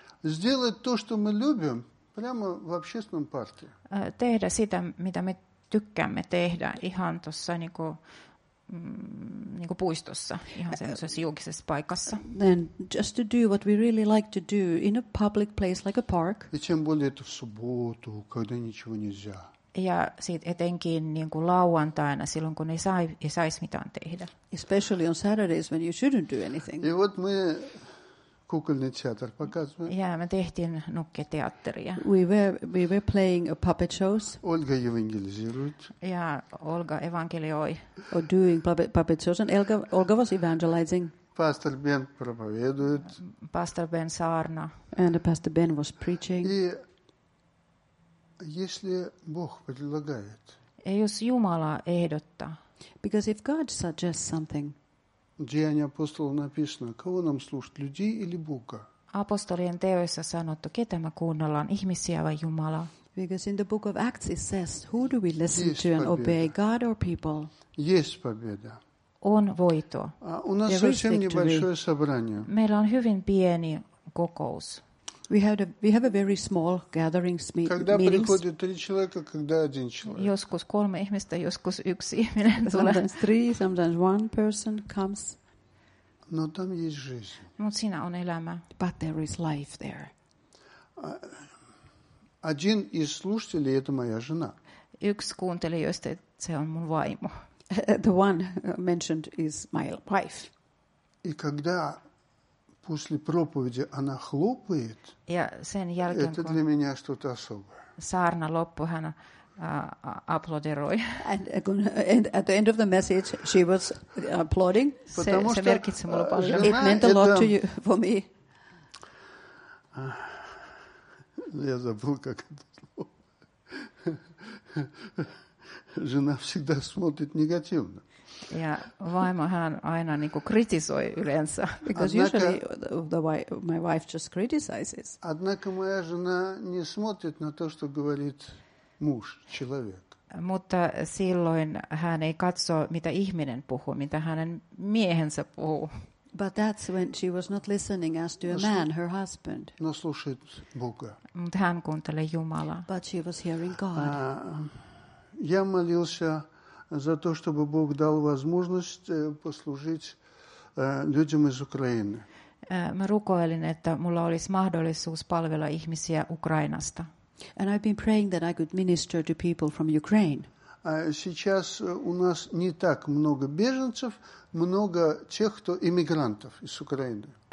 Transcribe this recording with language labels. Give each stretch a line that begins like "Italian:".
Russian: Сделать то, что мы любим, прямо в общественном парке.
Finnish: Tehdä sitä, mitä me tykkäämme tehdä, ihan tuossa niinku niinku puistossa, ihan semmoisessa julkisessa paikassa.
English: Then just to do what we really like to do in a public place like a park.
Russian: И тем более это в субботу, когда ничего нельзя.
Finnish: Ja sit etenkin niinku lauantaina silloin kun ei saisi mitään tehdä.
English: Especially on Saturdays when you shouldn't do anything.
Russian: И вот мы кукольный театр показываем.
Finnish: Ja me tehtiin nukketeatteria.
English: We were playing a puppet shows.
Russian: Olga evangelizirует.
Finnish: Ja Olga evankelioi.
English: Or doing puppet shows and Olga was evangelizing.
Russian: Pastor Ben проповедует.
Finnish: Pastor Ben saarna.
English: And Pastor Ben was preaching.
Russian: Если Бог предлагает.
Finnish: Jos Jumala ehdottaa.
English: Because if God suggests something.
Russian: Деяния апостолов написано, кого нам слушать, людей или Бога?
Finnish: Апостолien teoissa sanottu, ketä me kuunnellaan, ihmisiä vai Jumalaa?
English: Because in the book of Acts it says, who do we listen to and obey, God or people?
Russian: Есть победа.
Finnish: On voito.
Russian: У нас совсем небольшое собрание.
Finnish: Meillä on hyvin pieni kokous.
English: We have a very small gatherings meetings.
Russian: Когда приходит три человека, когда один человек.
Finnish: Joskus kolme ihmistä, joskus yksi ihminen.
English: Sometimes three, sometimes one person comes.
Russian: Но там есть жизнь.
Finnish: Mut siinä on elämä.
English: But there is life there.
Russian: Один из слушателей, это моя жена.
Finnish: Yksi kuuntelijoista, se on mun vaimo.
English: The one mentioned is my wife.
Russian: И когда после проповеди она хлопает.
Finnish: Ja sen jälkeen,
Russian: это для меня что-то особое.
Finnish: Saarna loppu, hän aplodiroi.
English: And at the end of the message, she was applauding.
Finnish: Se merkitsi mulle paljon.
English: It meant a lot to you, for me.
Russian: Я забыл, как это слово. Жена всегда смотрит негативно.
Finnish: Ja vaimo hän aina niinku kritisoi yleensä.
English: Because usually my wife just criticizes.
Russian: Однако моя жена не смотрит на то, что говорит муж, человек.
Finnish: Mutta silloin hän ei katso, mitä ihminen puhuu, mitä hänen miehensä puhuu.
English: But that's when she was not listening as to a man, her husband.
Russian: Но слушает Бога.
Finnish: Mutta hän kuunteli Jumalaa.
English: But she was hearing God.
Russian: Я молился за то, чтобы Бог дал возможность послужить людям из Украины.
Finnish: Mä rukoilin, että mulla olisi mahdollisuus palvella ihmisiä Ukrainasta.
English: And I've been praying that I could minister to people from Ukraine.
Russian: Сейчас у нас не так много беженцев, много тех, кто иммигрантов из Украины.